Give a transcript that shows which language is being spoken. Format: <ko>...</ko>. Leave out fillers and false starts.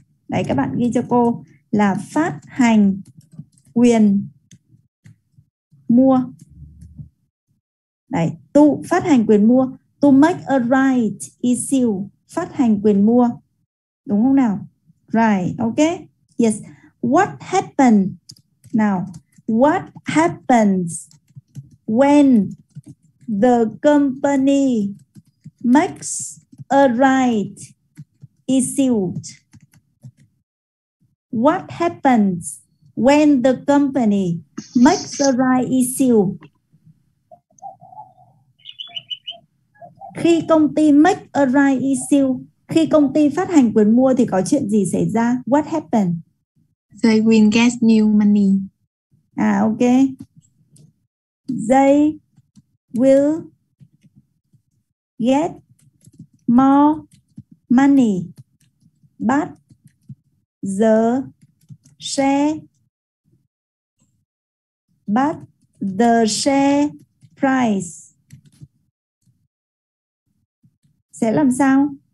<vi>Đấy, các bạn ghi cho cô là phát hành quyền mua. Đấy, to phát hành quyền mua,</vi> <en>to make a right issue,</en> <vi>phát hành quyền mua. Đúng không nào?</vi> <en>Right, ok. Yes, what happened? Now, what happens when the company makes a right issue? What happens when the company makes a right issue?</en> <vi>Khi công ty</vi> <en>make a right issue,</en> <vi>khi công ty phát hành quyền mua thì có chuyện gì xảy ra?</vi> <en>What happened? They will get new money. À, ok. They will get more money, but the share, price</en> <vi>sẽ làm sao?</vi>